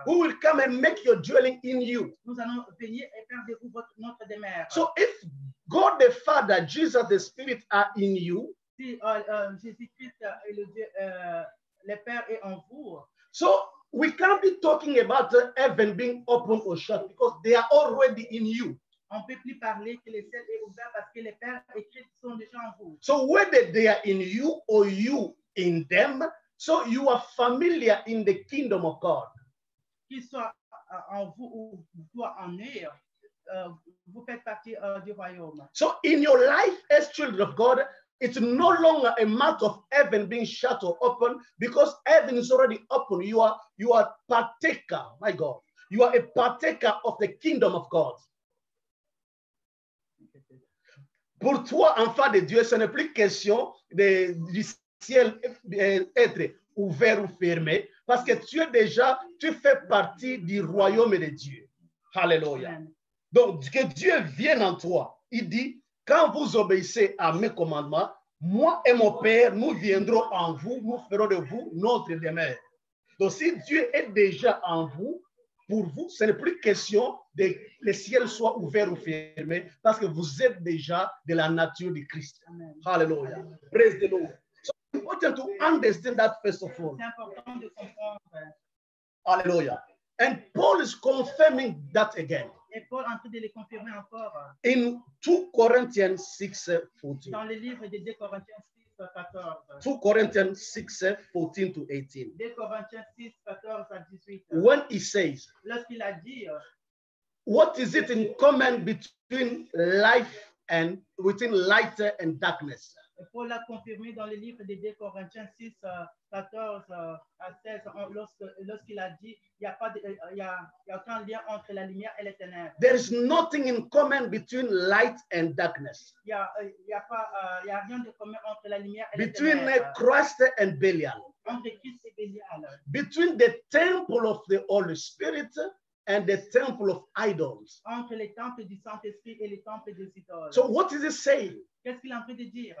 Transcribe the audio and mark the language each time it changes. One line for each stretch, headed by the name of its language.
English: We will come and make your dwelling in you.
French: Nous allons venir et faire de vous notre demeure.
English: So if God the Father, Jesus the Spirit are in you,
French: si Jésus-Christ est le Dieu, le Père est en vous.
English: So we can't be talking about heaven being open or shut because they are already in you.
French: On peut plus parler que le ciel est ouvert parce que le Père et Christ sont déjà en vous.
English: So whether they are in you or you in them, so you are familiar in the kingdom of God.
French: Qu'il soit en vous ou soit en eux, vous faites partie du royaume.
English: So in your life as children of God, it's no longer a matter of heaven being shut or open because heaven is already open. You are partaker, my God. You are a partaker of the kingdom of God.
French: Pour toi, enfant de Dieu, ce n'est plus question de, du ciel être ouvert ou fermé, parce que tu es déjà, tu fais partie du royaume de Dieu. Alléluia. Donc, que Dieu vienne en toi. Il dit, quand vous obéissez à mes commandements, moi et mon Père, nous viendrons en vous, nous ferons de vous notre demeure. Donc, si Dieu est déjà en vous, pour vous, ce n'est plus question de le ciel soit ouvert ou fermé, parce que vous êtes déjà de la nature de Christ.
English: Alléluia. Praise the Lord. So, it's important to understand that first of all.
French: C'est important de comprendre.
English: Alléluia. And Paul is confirming that again.
French: Et Paul est en train de le confirmer encore.
English: In 2 Corinthians 6:14.
French: Dans le livre de 2 Corinthiens 6, 14. 2 Corinthiens 6:14 to 18. 2 Corinthiens 6, 14 à 18.
English: When he says,
French: lorsqu'il a dit,
English: what is it in common between life and between light and darkness?
French: Paul l'a confirmé dans le livre de 2 Corinthiens 6, 14 à 16, lorsqu'il a dit, il y a aucun lien entre la lumière et les ténèbres.
English: There is nothing in common between light and darkness.
French: Il y a rien de commun entre la lumière et
English: between
French: les ténèbres.
English: Between Christ and Belial.
French: Entre Christ et Belial.
English: Between the temple of the Holy Spirit and the temple of idols.
French: Entre les temples du Saint-Esprit et les temples des idoles.
English: So what is he saying?
French: Qu'est-ce qu'il est en train de dire?